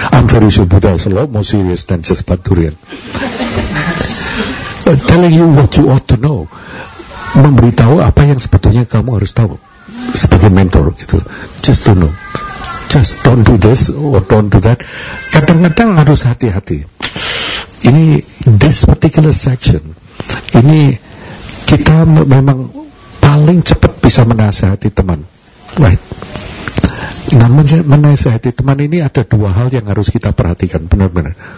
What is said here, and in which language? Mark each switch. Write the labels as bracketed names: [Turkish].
[English] I'm very sure Buddha is a lot more serious than just about durian. Telling you what you ought to know, [Indonesian] memberitahu apa yang sebetulnya kamu harus tahu sebagai mentor gitu. [English] Just to know, just don't do this or don't do that. [Indonesian] Kadang-kadang harus hati-hati. Ini [English] this particular section, [Indonesian] ini kita memang paling cepat bisa menasihati teman. [English] Right. [Indonesian] Namun menasihati teman ini ada dua hal yang harus kita perhatikan benar-benar.